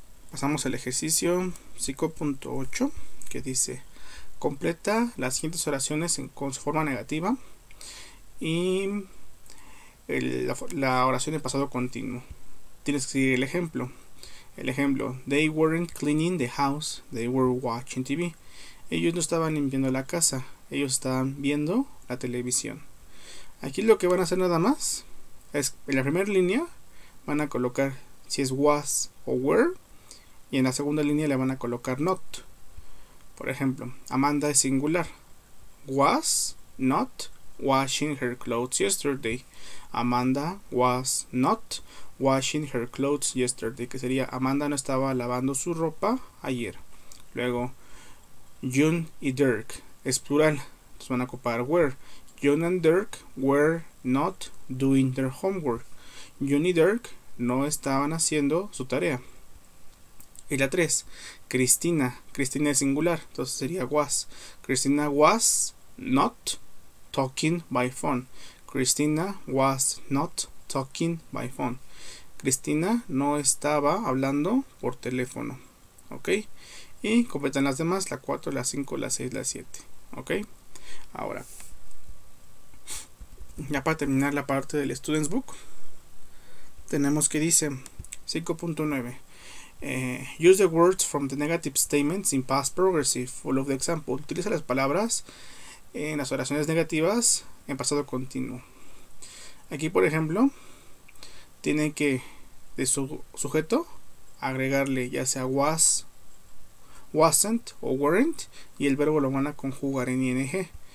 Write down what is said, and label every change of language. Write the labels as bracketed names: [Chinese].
[Spanish] Pasamos al ejercicio 5.8, que dice: completa las siguientes oraciones con su forma negativa y la oración de pasado continuo. Tienes que seguir el ejemplo. El ejemplo: [English] they weren't cleaning the house, they were watching TV. [Spanish] Ellos no estaban limpiando la casa, ellos estaban viendo la televisión. Aquí lo que van a hacer nada más es, en la primera línea van a colocar si es was o were, y en la segunda línea le van a colocar not. Por ejemplo, Amanda es singular. [English] Was not washing her clothes yesterday. Amanda was not washing her clothes yesterday. [Spanish] Que sería: Amanda no estaba lavando su ropa ayer. Luego, June y Dirk es plural. Entonces van a ocupar were. [English] June and Dirk were not doing their homework. [Spanish] June y Dirk no estaban haciendo su tarea. Y la 3, Cristina. Cristina es singular, entonces sería was. [English] Cristina was not talking by phone. Cristina was not talking by phone. [Spanish] Cristina no estaba hablando por teléfono. ¿Ok? Y completan las demás, la 4, la 5, la 6, la 7. ¿Ok? Ahora, ya para terminar la parte del Students Book, tenemos que dice 5.9. [English] Use the words from the negative statements in past progressive, follow the example. [Spanish] Utiliza las palabras en las oraciones negativas en pasado continuo. Aquí, por ejemplo, tiene que de su sujeto agregarle ya sea was, wasn't o weren't, y el verbo lo van a conjugar en ing.